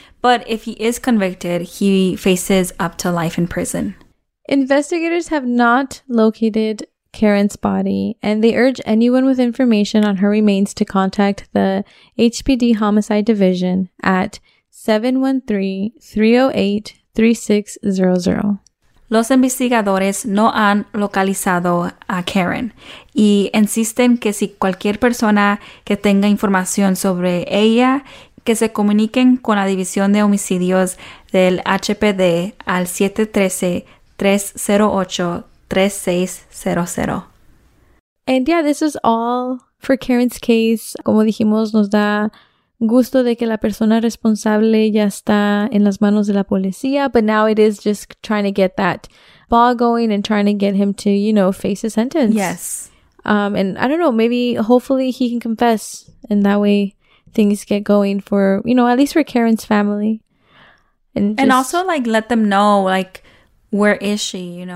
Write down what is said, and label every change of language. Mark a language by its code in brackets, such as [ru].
[en] But if he is convicted, he faces up to life in prison. Investigators have not located Karen's body, and they urge anyone with information on her remains to contact the HPD Homicide Division at 713-308-3600. [es] Los investigadores no han localizado a Karen y insisten que si cualquier persona que tenga información sobre ella, que se comuniquen con la División de Homicidios del HPD al 713-308-3600. [en] And yeah, this is all for Karen's case. [es] Como dijimos, nos da gusto de que la persona responsable ya está en las manos de la policía. [en] But now it is just trying to get that ball going and trying to get him to, you know, face a sentence. Yes. And I don't know, maybe hopefully he can confess and that way things get going for, you know, at least for Karen's family. And just, and also, like, let them know, like, where is she, you know?